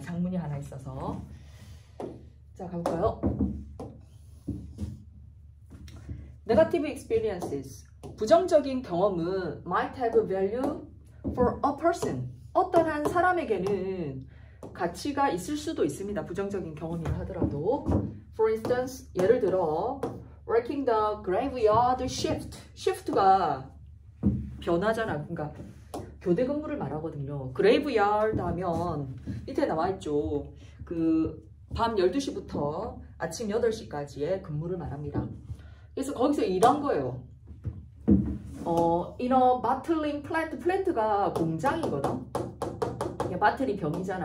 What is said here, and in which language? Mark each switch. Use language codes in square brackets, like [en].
[ko] 장문이 하나 있어서. 자, 가볼까요? [en] Negative experiences. [ko] 부정적인 경험은 [en] might have a value for a person. [ko] 어떤 한 사람에게는 가치가 있을 수도 있습니다. 부정적인 경험이라 하더라도. [en] For instance, [ko] 예를 들어, [en] working the graveyard shift. [ko] shift가 변하잖아. 그러니까 교대 근무를 말하거든요. graveyard 하면 밑에 나와있죠. 그 밤 12시부터 아침 8시까지의 근무를 말합니다. 그래서 거기서 일한 거예요. [en] In a bottling plant. [ko] plant가 공장이거든. 바틀이 병이잖아.